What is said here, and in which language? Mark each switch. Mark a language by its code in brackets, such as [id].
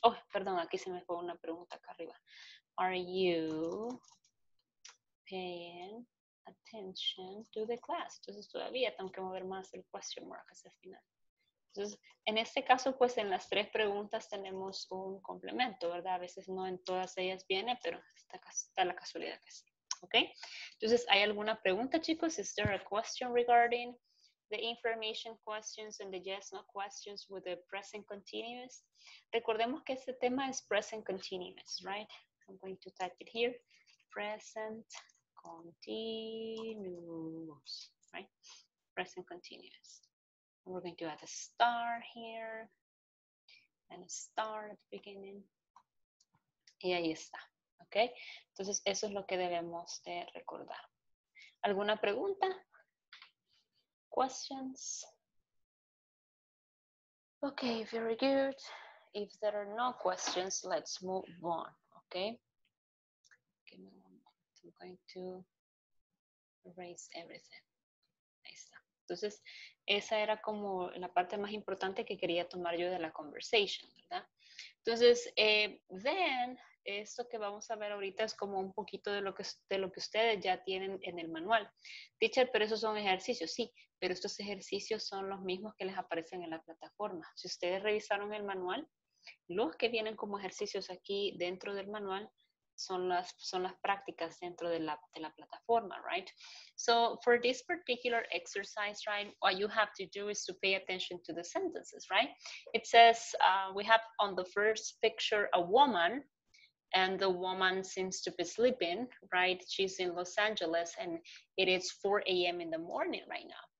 [es] Oh, perdón, aquí se me fue una pregunta acá arriba. [en] Are you paying attention to the class? [es] Entonces, todavía tengo que mover más el question mark hacia el final. Entonces, en este caso, pues, en las tres preguntas tenemos un complemento, ¿verdad? A veces no en todas ellas viene, pero está la casualidad que sí. Okay, entonces, ¿hay alguna pregunta, chicos? [en] Is there a question regarding the information questions and the yes, no questions with the present continuous? [es] Recordemos que este tema es [en] present continuous, right? I'm going to type it here. Present continuous, right? Present continuous. And we're going to add a star here and a star at the beginning. [es] Y ahí está. Okay, entonces eso es lo que debemos de recordar. ¿Alguna pregunta? [en] Questions? Okay, very good. If there are no questions, let's move on. Okay. Give me one moment. I'm going to erase everything. [es] Ahí está. Entonces, esa era como la parte más importante que quería tomar yo de la conversation, ¿verdad? Entonces, then esto que vamos a ver ahorita es como un poquito de lo que ustedes ya tienen en el manual. Teacher, pero esos son ejercicios. Sí, pero estos ejercicios son los mismos que les aparecen en la plataforma. Si ustedes revisaron el manual, los que vienen como ejercicios aquí dentro del manual son las prácticas dentro de la plataforma, right? [en] So, for this particular exercise, right, what you have to do is to pay attention to the sentences, right? It says, we have on the first picture a woman, and the woman seems to be sleeping, right? She's in Los Angeles, and it is 4 a.m. in the morning right now.